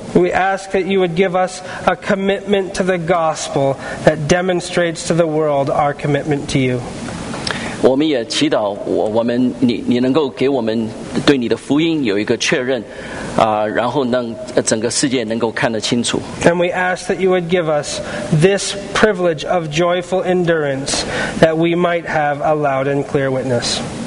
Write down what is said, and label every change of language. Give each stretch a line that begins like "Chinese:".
English: We ask that you would give us a commitment to the gospel that demonstrates to the world our commitment to you.
Chinese: 我们也祈祷你能够给我们对你的福音有一个确认，然后让整个世界能够看得清楚。
English: And we ask that you would give us this privilege of joyful endurance that we might have a loud and clear witness.